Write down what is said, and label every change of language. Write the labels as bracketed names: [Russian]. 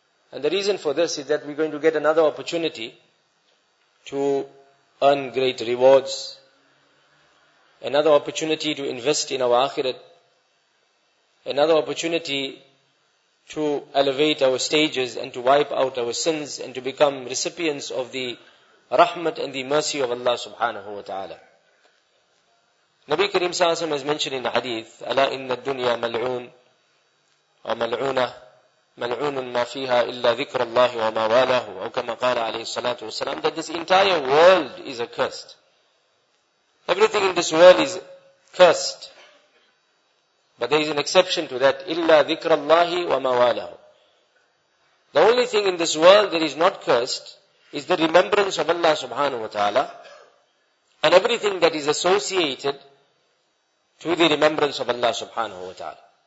[English] And the reason for this is that we're going to get another opportunity to earn great rewards, another opportunity to invest in our akhirat, another opportunity to elevate our stages and to wipe out our sins and to become recipients of the rahmat and the mercy of Allah subhanahu wa ta'ala. Nabi Kareem Sallallahu Alaihi Wasallam has mentioned in the hadith, [Arabic] أَلَا إِنَّ الدُّنْيَا مَلْعُونَ وَمَلْعُونَهُ مَلْعُونٌ مَا فِيهَا إِلَّا ذِكْرَ اللَّهِ وَمَا وَالَهُ أَوْ كَمَا قَالَ عَلَيْهِ الصَّلَاةُ وَالسَّلَامُ. [English] That this entire world is accursed. Everything in this world is cursed. But there is an exception to that. [Arabic] إِلَّا ذِكْرَ اللَّهِ وَمَا وَالَهُ. [English] The only thing in this world that is not cursed is the remembrance of Allah subhanahu wa ta'ala and everything that is associated to the remembrance of Allah subhanahu wa ta'ala.